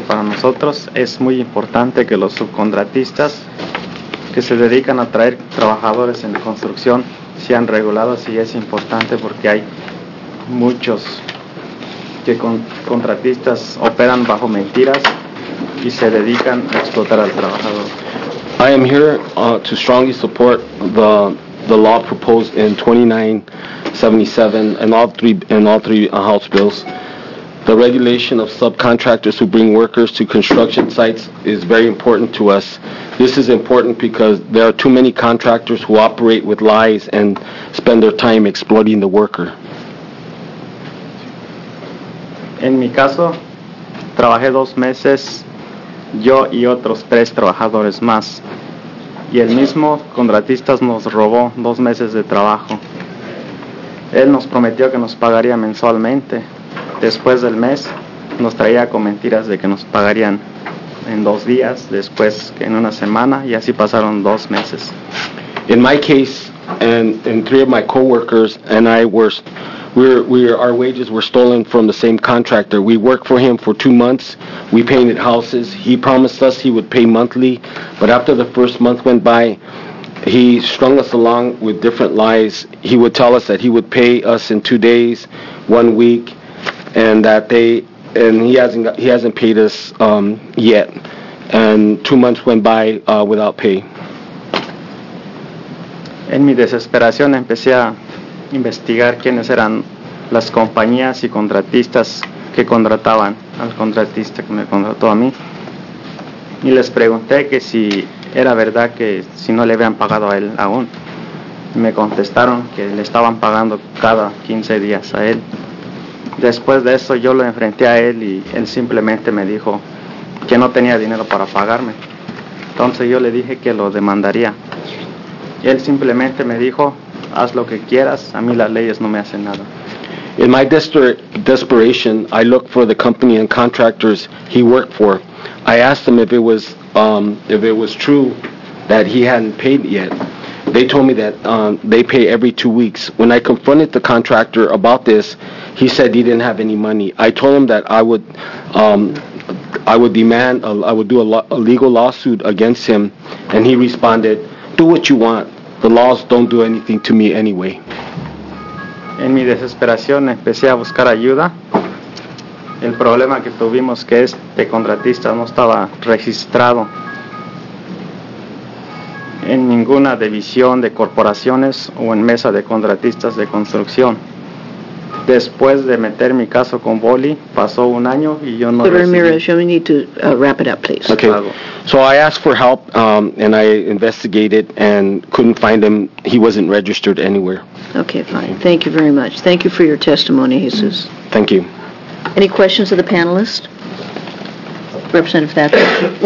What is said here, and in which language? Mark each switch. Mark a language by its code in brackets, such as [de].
[es] Para nosotros es muy importante que los subcontratistas que se dedican a traer trabajadores en construcción sean regulados, y es importante porque hay muchos que contratistas operan bajo mentiras y se dedican a explotar al trabajador. [en] I am here to strongly support the law proposed in 2977 and all three House bills. The regulation of subcontractors who bring workers to construction sites is very important to us. This is important because there are too many contractors who operate with lies and spend their time exploiting the worker. [es] En mi caso, trabajé 2 meses, yo y otros 3 trabajadores más. Y el mismo contratista nos robó 2 meses de trabajo. Él nos prometió que nos pagaría mensualmente. Después del mes, nos traía con mentiras de que nos pagarían en 2 días, después en una semana, y así pasaron 2 meses. [en] In my case, and 3 of my coworkers and I our wages were stolen from the same contractor. We worked for him for 2 months. We painted houses. He promised us he would pay monthly, but after the first month went by, he strung us along with different lies. He would tell us that he would pay us in 2 days, 1 week, and he hasn't paid us yet. And 2 months went by without pay. [es] En mi desesperación empecé a investigar quiénes eran las compañías y contratistas que contrataban al contratista que me contrató a mí, y les pregunté que si era verdad que si no le habían pagado a él aún. Me contestaron que le estaban pagando cada 15 días a él. Después de eso yo lo enfrenté a él y él simplemente me dijo que no tenía dinero para pagarme. Entonces yo le dije que lo demandaría. Él simplemente me dijo, haz lo que quieras, a mí las leyes no me hacen nada. [en] In my desperation, I looked for the company and contractors he worked for. I asked them if it was true that he hadn't paid yet. They told me that they pay every 2 weeks. When I confronted the contractor about this, he said he didn't have any money. I told him that I would do a legal lawsuit against him, and he responded, do what you want. The laws don't do anything to me anyway. [es] En mi desesperación empecé a buscar ayuda. El problema que tuvimos que este contratista no estaba registrado en ninguna división de corporaciones o en mesa de contratistas de construcción. Después de meter mi caso con Boli, pasó un año y yo no recibí. [en] Ramirez, we need to wrap it up, please. Okay. So I asked for help and I investigated and couldn't find him. He wasn't registered anywhere. Okay, fine. Thank you very much. Thank you for your testimony, Jesus. Thank you. Any questions of the panelists? Representative Thatcher.